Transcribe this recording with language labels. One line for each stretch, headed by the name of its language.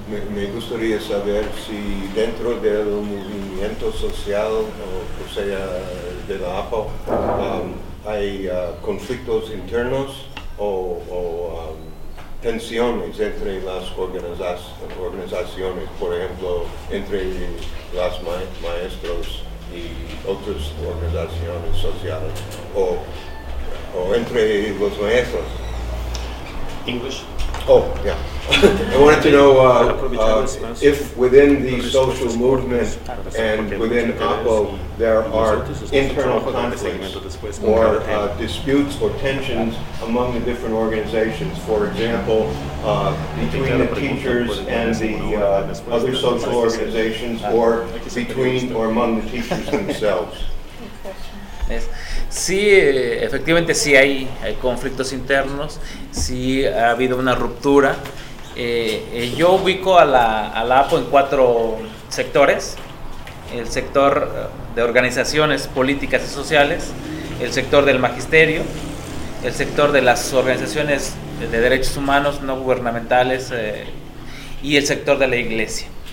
Spanish: me gustaría saber si dentro del movimiento social, o sea, de la APO, hay conflictos internos o tensiones entre las organizaciones, por ejemplo, entre las maestros y otras organizaciones sociales, o entre los maestros.
English: English? Oh, yeah. I wanted to know if within the social movement and within APO there are internal conflicts or disputes or tensions among the different organizations, for example, between the teachers and the other social organizations, or between or among the teachers themselves. Yes.
Spanish: Sí, efectivamente sí hay conflictos internos, sí ha habido una ruptura. Yo ubico a la APO en cuatro sectores: el sector de organizaciones políticas y sociales, el sector del magisterio, el sector de las organizaciones de derechos humanos no gubernamentales y el sector de la iglesia.